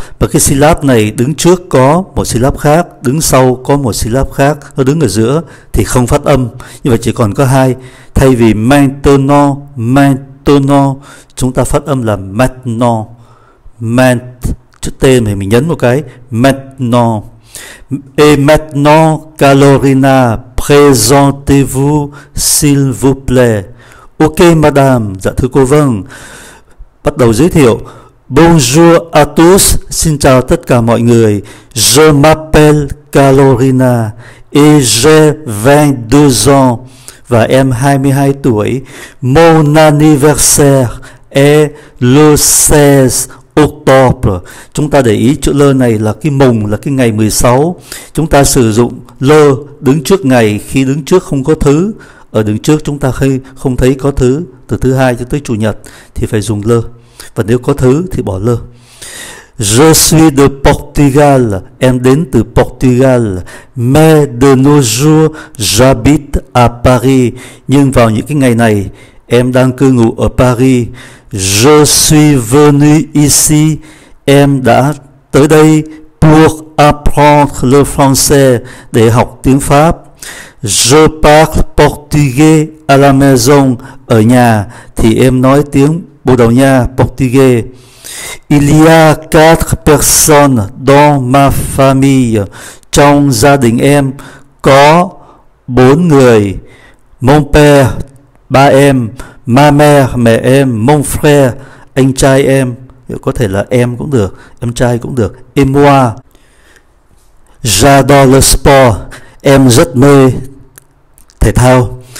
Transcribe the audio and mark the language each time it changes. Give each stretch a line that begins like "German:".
Vietnamese: Và cái syllab này đứng trước có một syllab khác, đứng sau có một syllab khác, nó đứng ở giữa thì không phát âm. Nhưng mà chỉ còn có hai. Thay vì maintenant, maintenant, chúng ta phát âm là maintenant. Maintenant, tên mình nhấn một cái.
French: Maintenant. Et maintenant, Carolina, présentez-vous, s'il vous plaît. Ok, madame.
Vietnamese: Dạ, thưa cô, vâng. Bắt đầu giới thiệu.
French: Bonjour à tous.
Vietnamese: Xin chào tất cả mọi người.
French: Je m'appelle Carolina et j'ai 22 ans.
Vietnamese: Và em 22 tuổi.
French: Mon anniversaire est le 16 octobre.
Vietnamese: Chúng ta để ý chữ le này là cái mùng, là cái ngày 16. Chúng ta sử dụng le đứng trước ngày khi đứng trước không có thứ. Ở đứng trước chúng ta không thấy có thứ, từ thứ hai cho tới chủ nhật thì phải dùng le. Và nếu có thứ thì bỏ le.
French: Je suis de Portugal.
Vietnamese: Em đến từ Portugal.
French: Mais de nos jours, j'habite à Paris.
Vietnamese: Nhưng vào những cái ngày này, em đang cư ngụ ở Paris.
French: Je suis venu ici.
Vietnamese: Em đã tới đây
French: pour apprendre le français,
Vietnamese: để học tiếng Pháp.
French: Je parle portugais à la maison.
Vietnamese: Ở nhà thì em nói tiếng Bồ Đào Nha, portugais.
French: Il y a quatre personnes dans ma famille.
Vietnamese: Trong gia đình em có 4 người.
French: Mon père,
Vietnamese: ba em.
French: Ma mère,
Vietnamese: mẹ em. Mon frère, anh trai em. Có thể là em cũng được, em trai cũng được.
French: Et moi. J'adore le sport.
Vietnamese: Em rất mê thể thao.